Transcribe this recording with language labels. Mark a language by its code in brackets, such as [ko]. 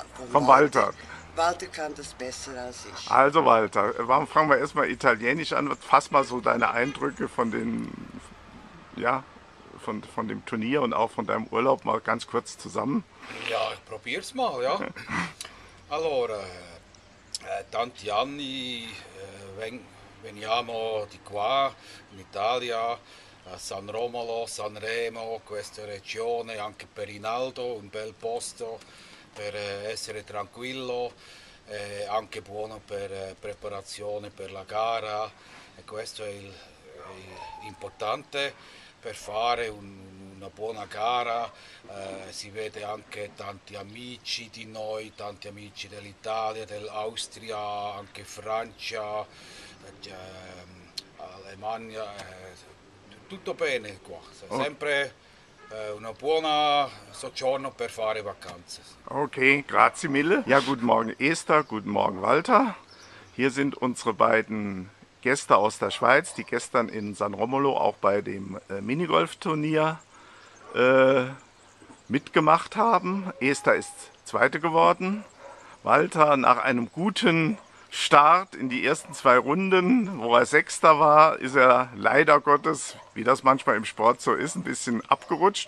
[de] von Walter. Walter kann das besser als ich. Also Walter, warum fangen wir erstmal Italienisch an? Fass mal so deine Eindrücke von dem Turnier und auch von deinem Urlaub mal ganz kurz zusammen. Ja, ich probier's mal, ja. [it] Allora. Tanti anni, veniamo di qua, in Italia, a San Romolo, San Remo, questa regione, anche per Rinaldo, un bel posto per essere tranquillo, anche buono per preparazione per la gara, e questo è l'importante per fare una buona gara, si vede anche tanti amici di noi, tanti amici dell'Italia, dell'Austria, anche Francia, Germania, tutto bene qua, sempre una buona soggiorno per fare vacanze. Ok, grazie mille. [de] Ja, guten Morgen Esther, guten Morgen Walter. Hier sind unsere beiden Gäste aus der Schweiz, die gestern in San Romolo auch bei dem Minigolfturnier mitgemacht haben. Esther ist Zweite geworden. Walter, nach einem guten Start in die ersten zwei Runden, wo er Sechster war, ist er leider Gottes, wie das manchmal im Sport so ist, ein bisschen abgerutscht.